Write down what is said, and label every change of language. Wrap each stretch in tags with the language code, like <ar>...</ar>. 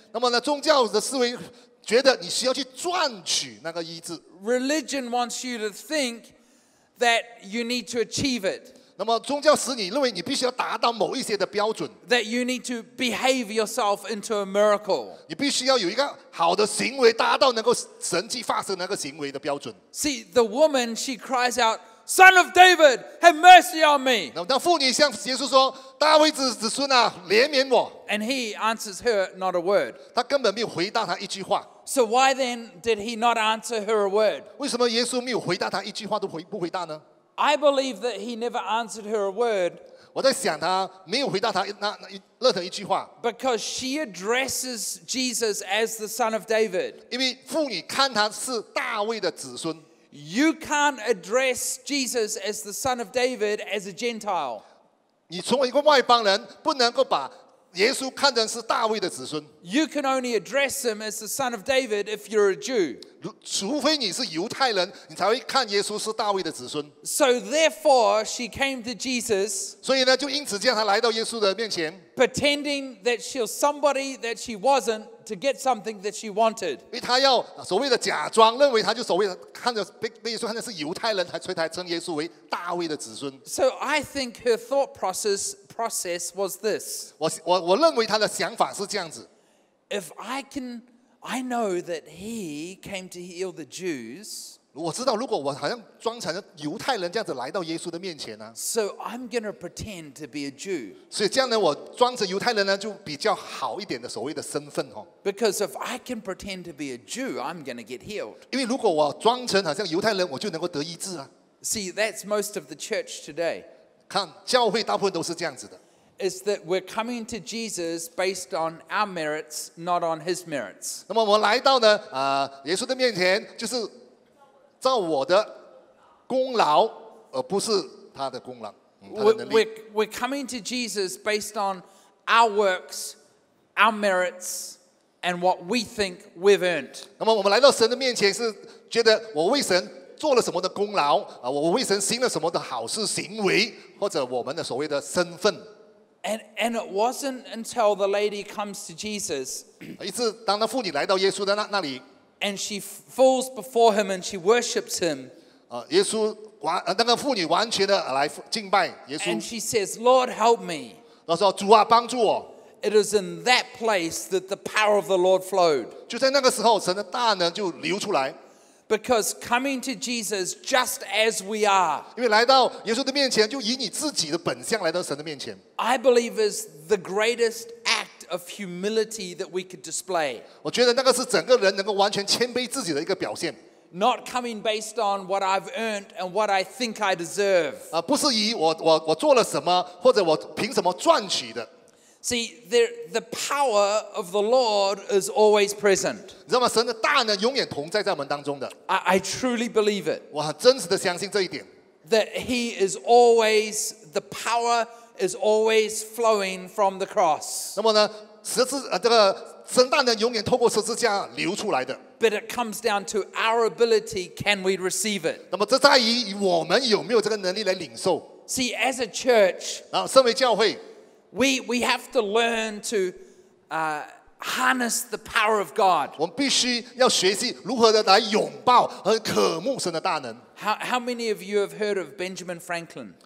<zh>那么呢，宗教的思维觉得你需要去赚取那个医治。</zh> <en>Religion wants you to think that you need to achieve it.</en> <zh>那么宗教使你认为你必须要达到某一些的标准。</zh> <en>That you need to behave yourself into a miracle.</en> <zh>你必须要有一个。好的行为达到能够神迹发生那个行为的标准。</zh> <en>See the woman, she cries out, "Son of David, have mercy on me."</en> <zh>那妇女向耶稣说：“大卫子孙啊，怜悯我。</zh> <en>”And he answers her not a word.</en> <zh>他根本没有回答他一句话。</zh> <en>So why then did he not answer her a word?</en> <zh>为什么耶稣没有回答他一句话都不回答呢</zh> <en>？I believe that he never answered her a word.</en> <zh>我在想他没有回答他任何一句话。</zh> <en>Because she addresses Jesus as the son of David.</en> <zh>因为妇女看他是大卫的子孙。</zh> <en>You can't address Jesus as the son of David as a Gentile.</en> <zh>你从一个外邦人不能够把耶稣看成是大卫的子孙。</zh> <en>You can only address him as the son of David if you're a Jew.</en> <zh>除非你是犹太人，你才会看耶稣是大卫的子孙。</zh> <en>So therefore, she came to Jesus.</en> <zh>所以呢，就因此这样，她来到耶稣的面前。</zh> <en>Pretending that she's somebody that she wasn't to get something that she wanted.</en> <zh>因为她要所谓的假装，认为她就所谓的看着被耶稣看成是犹太人，才才称耶稣为大卫的子孙。</zh> <en>So I think her thought process was this.</en> <zh>我认为她的想法是这样子。</zh> <en>If I can, I know that he came to heal the Jews.</en> <zh>我知道，如果我好像装成犹太人这样子来到耶稣的面前呢</zh> <en>？So I'm gonna pretend to be a Jew.</en> <zh>所以这样呢，我装成犹太人呢，就比较好一点的所谓的身份哦。</zh> <en>Because if I can pretend to be a Jew, I'm gonna get healed.</en> <zh>因为如果我装成好像犹太人，我就能够得医治啊。</zh> <en>See, that's most of the church today.</en> <zh>看教会大部分都是这样子的。</zh> <en>Is that we're coming to Jesus based on our merits, not on His merits.</en> <zh>那么我来到呢，耶稣的面前，就是照我的功劳，而不是他的功劳，他的能力。</zh> <en>We're coming to Jesus based on our works, our merits, and what we think we've earned.</en> <zh>那么我们来到神的面前，是觉得我为神做了什么的功劳啊？我为神行了什么的好事行为，或者我们的所谓的身份。</zh> <en>And it wasn't until the lady comes to Jesus.</en> <zh>一直当那妇女来到耶稣的那里</zh> <en>，and she falls before him and she worships him.</en> <zh>耶稣那个妇女完全的来敬拜耶稣。</zh> <en>And she says, "Lord, help me."</en> <zh>她说主啊，帮助我。</zh> <en>It is in that place that the power of the Lord flowed.</en> <zh>就在那个时候，神的大能就流出来。</zh> <en>Because coming to Jesus just as we are.</en> <zh>因为来到耶稣的面前，就以你自己的本相来到神的面前。</zh> <en>I believe is the greatest act of humility that we could display.</en> <zh>我觉得那个是整个人能够完全谦卑自己的一个表现。</zh> <en>Not coming based on what I've earned and what I think I deserve.</en> <zh>不是以我做了什么，或者我凭什么赚取的。</zh> <en>See, the power of the Lord is always present.</en> <zh>你知道吗？神的大能永远同在我们当中的。</zh> <en>I truly believe it.</en> <zh>我真实的相信这一点。</zh> <en>That He is always the power is always flowing from the cross.</en> <zh>那么呢，这个神大能永远透过十字架流出来的。</zh> <en>But it comes down to our ability. Can we receive it?</en> <zh>那么这在于我们有没有这个能力来领受。</zh> <en>See, as a church.</en> <zh>然后，身为教会。</zh> <en>We have to learn to harness the power of God.</en> <zh>我们必须要学习如何的来拥抱和渴慕神的大能。</zh> <en>How many of you have heard of Benjamin Franklin?</en>